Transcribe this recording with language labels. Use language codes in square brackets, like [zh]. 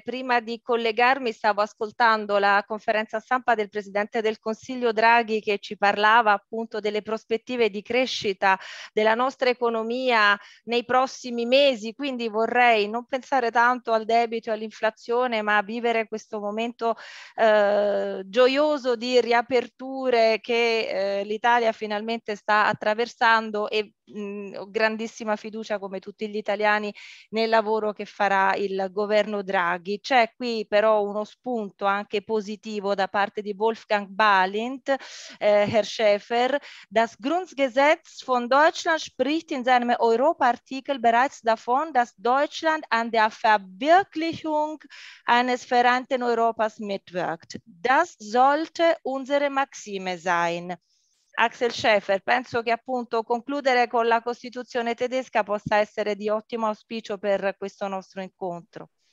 [it] Prima di collegarmi stavo ascoltando la conferenza stampa del Presidente del Consiglio Draghi che ci parlava appunto delle prospettive di crescita della nostra economia nei prossimi mesi, quindi vorrei non pensare tanto al debito e all'inflazione, ma vivere questo momento gioioso di riaperture che l'Italia finalmente sta attraversando e grandissima fiducia come tutti gli italiani nel lavoro che farà il governo Draghi. C'è qui però uno spunto anche positivo da parte di Wolfgang Balint, [de] Herr Schäfer: Das Grundgesetz von Deutschland spricht in seinem Europa-Artikel bereits davon, dass Deutschland an der Verwirklichung eines vereinten Europas mitwirkt. Das sollte unsere Maxime sein. [it] Axel Schäfer, penso che appunto concludere con la Costituzione tedesca possa essere di ottimo auspicio per questo nostro incontro.